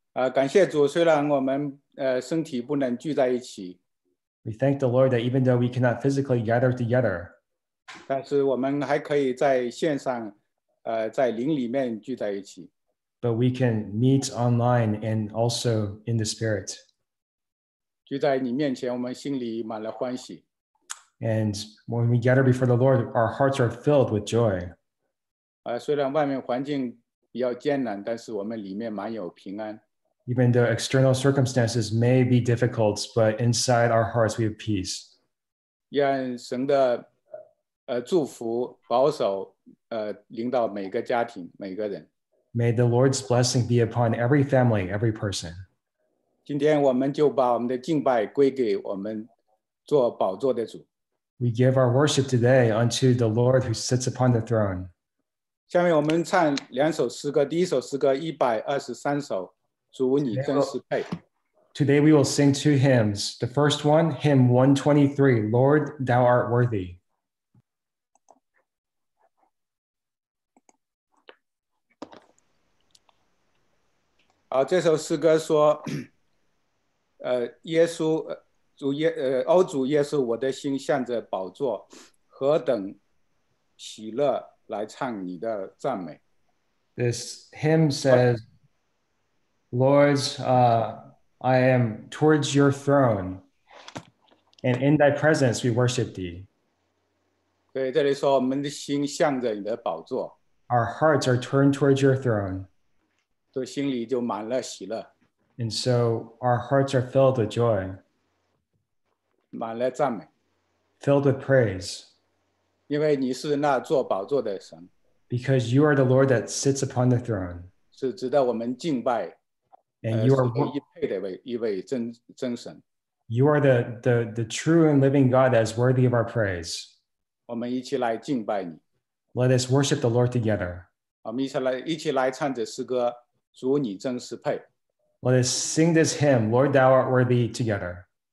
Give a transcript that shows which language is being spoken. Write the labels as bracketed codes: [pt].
[zh] 感谢主，虽然我们身体不能聚在一起。 [en] We thank the Lord that even though we cannot physically gather together, [zh] 但是我们还可以在线上，在灵里面聚在一起。 [en] But we can meet online and also in the spirit. [zh] 聚在你面前，我们心里满了欢喜。 [en] And when we gather before the Lord, our hearts are filled with joy. [zh] 虽然外面环境比较艰难，但是我们里面满有平安。 [en] Even though external circumstances may be difficult, but inside our hearts we have peace. [zh] 愿神的祝福保守临到每个家庭每个人。 [en] May the Lord's blessing be upon every family, every person. [zh] 今天我们就把我们的敬拜归给我们做宝座的主。 [en] We give our worship today unto the Lord who sits upon the throne. [zh] 下面我们唱两首诗歌，第一首诗歌123首。 [en] Today we will sing two hymns. The first one, hymn 123, Lord, Thou art worthy. Oh, this song says, Jesus, Lord Jesus, my heart is toward the throne. How much joy to sing your praise. This hymn says, Lord, I am towards your throne, and in thy presence we worship thee. [zh] 对，这里说我们的心向着你的宝座。 [en] Our hearts are turned towards your throne. [zh] 对，心里就满了喜乐。 [en] And so our hearts are filled with joy. [zh] 满了赞美。 [en] Filled with praise. [zh] 因为你是那坐宝座的神。 [en] Because you are the Lord that sits upon the throne. [zh] 是值得我们敬拜。 [en] And you are worthy, [zh] 一位真神。 [en] You are the true and living God that is worthy of our praise. [zh] 我们一起来敬拜你。 [en] Let us worship the Lord together. [zh] 我们一起来唱这诗歌，主你真是配。 [en] Let us sing this hymn, Lord, Thou art worthy, together.